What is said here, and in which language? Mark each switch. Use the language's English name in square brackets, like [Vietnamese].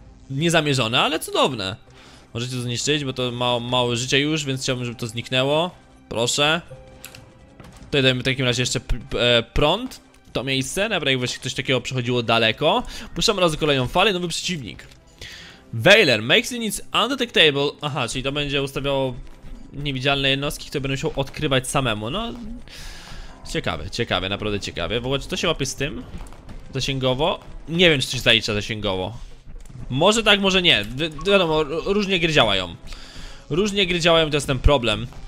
[Polish] Niezamierzone, ale cudowne. Możecie to zniszczyć, bo to ma mało życia już, więc chciałbym, żeby to zniknęło. Proszę. Tutaj dajmy w takim razie jeszcze prąd. To miejsce, najpierw jakby się ktoś takiego przechodziło daleko. Puszczamy razy kolejną falę, nowy przeciwnik. [English] Veiler makes it undetectable. [Polish] Aha, czyli to będzie ustawiało niewidzialne jednostki, które będą się odkrywać samemu. No, ciekawe, ciekawe, naprawdę ciekawe. W ogóle, czy to się łapie z tym? Zasięgowo? Nie wiem, czy coś zalicza zasięgowo. Może tak, może nie. Wiadomo, różnie gry działają. Różnie gry działają, to jest ten problem.